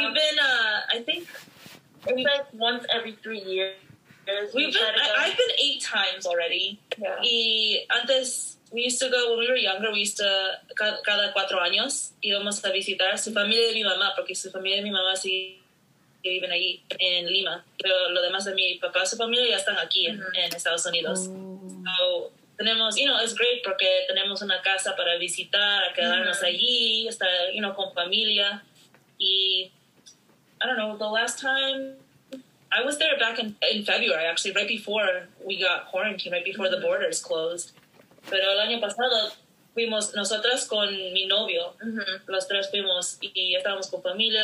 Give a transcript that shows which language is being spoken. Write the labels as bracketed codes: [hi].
[en] We've been, I think, it's like once every 3 years. I've been 8 times already. Yeah. [es] Y antes, [en] we used to go, when we were younger, we used to, [es] cada 4 años, íbamos a visitar a su familia de mi mamá, porque su familia de mi mamá sí viven ahí, en Lima. Pero lo demás de mi papá, su familia ya están aquí, en Estados Unidos. Ooh. So, tenemos, [en] it's great [es] porque tenemos una casa para visitar, quedarnos allí, estar, con familia. [en] Y, I don't know, the last time, I was there back in February, actually, right before we got quarantined, right before the borders closed. [es] Pero el año pasado fuimos nosotras con mi novio, los tres fuimos y estábamos con familia.